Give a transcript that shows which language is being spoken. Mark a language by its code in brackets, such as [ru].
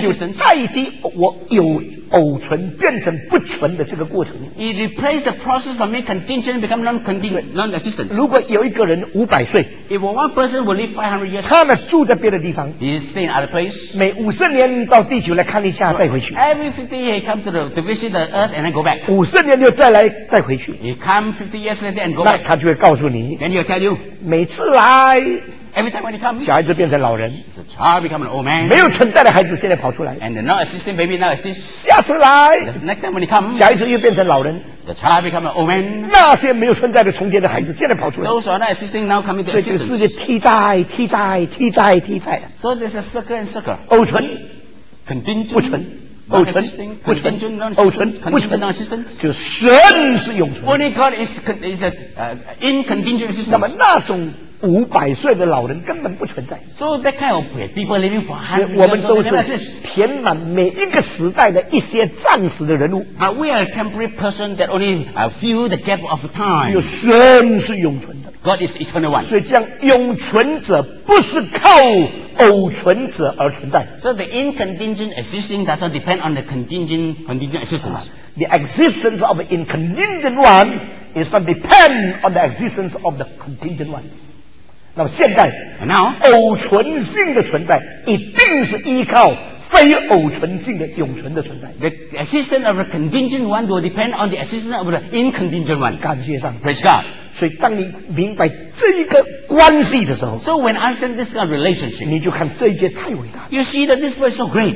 [zh] 就代替我有偶存变成不存的这个过程。 [en] It replaces the process of me contingent become non-contingent, non-existent。 [zh] 如果有一个人500岁 [en] ，if one person will live 500 years， [zh] 他呢住在别的地方 [en] ，he stay in other place， [zh] 每50年到地球来看一下再回去。 [en] Every 50 years, he comes to visit the earth and then go back. [zh] 50年就再回去。 [en] He comes 50 years later and go back. [zh] 那他就会告诉你。 [en] Then he'll tell you. [zh] 每次来。 [en] Every time when he comes. [zh] 小孩子变成老人。 [en] The child becomes an old man. [zh] 没有存在的孩子现在跑出来。 [en] And the non-existent baby now exists. [zh] 下次来。 [en] The next time when he comes. [zh] 小孩子又变成老人。 [en] The child becomes an old man. [zh] 那些没有存在的从前的孩子现在跑出来。 [en] Those who are not existing now coming to existence. [zh] 所以这个世界替代、替代、替代、替代。 [en] So there's a circle and circle. [zh] 偶存。 [en] Contingent. [zh] 不存。偶存，不存，偶存，不存，就神是永存。 [en] Only God is a incontingent existence. [zh] 那么那种五百岁的老人根本不存在。 [en] So that kind of people living for 100 years. [zh] 我们都是填满每一个时代的一些暂时的人物。 [en] But we are a temporary person that only fill the gap of time. [zh] 只有神是永存的。 [en] God is eternal one. [zh] 所以这样永存者不是靠偶存者而存在。 [en] So the incontingent existing does not depend on the contingent existence. The existence of the incontingent one is not depend on the existence of the contingent one. [zh] 那么现在 [en] now, [zh] 偶存性的存在一定是依靠非偶存性的永存的存在。 [en] The existence of a contingent one will depend on the existence of the incontingent one. [zh] 感谢上帝。 [en] Praise God. [zh] 所以当你明白这一个关系的时候 [en] So when I understand this kind of relationship, [zh] 你就看这一节太伟大。 [en] You see that this verse is so great.